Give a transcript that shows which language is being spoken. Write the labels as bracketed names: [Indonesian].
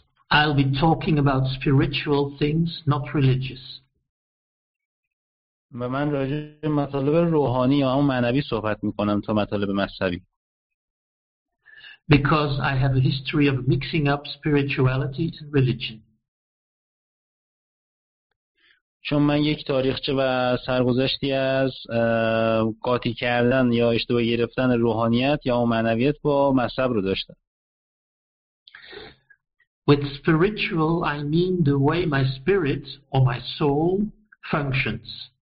[English] I'll be talking about spiritual things, not religious. [Persian] من راجع به مطالب روحانی یا معنوی صحبت میکنم تا مطالب مذهبی. [English] Because I have a history of mixing up spirituality and religion. [Persian] چون من یک تاریخچه و سرگذشتی از قاطی کردن یا اشتباه گرفتن روحانیت یا معنویت با مذهب رو داشتم. [English] With spiritual I mean the way my spirit or my soul functions.